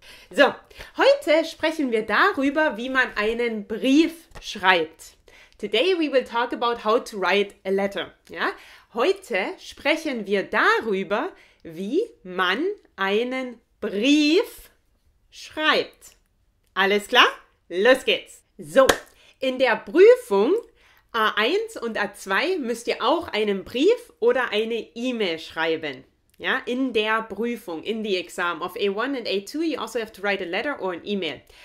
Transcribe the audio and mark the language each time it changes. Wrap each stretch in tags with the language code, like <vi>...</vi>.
<de>So, heute sprechen wir darüber, wie man einen Brief schreibt.</de> <en>Today we will talk about how to write a letter.</en> <de>Ja? Heute sprechen wir darüber, wie man einen Brief schreibt. Alles klar? Los geht's! So, in der Prüfung A1 und A2 müsst ihr auch einen Brief oder eine E-Mail schreiben. Ja, in der Prüfung,</de> <en>in the exam of A1 and A2, you also have to write a letter or an E-Mail.</en>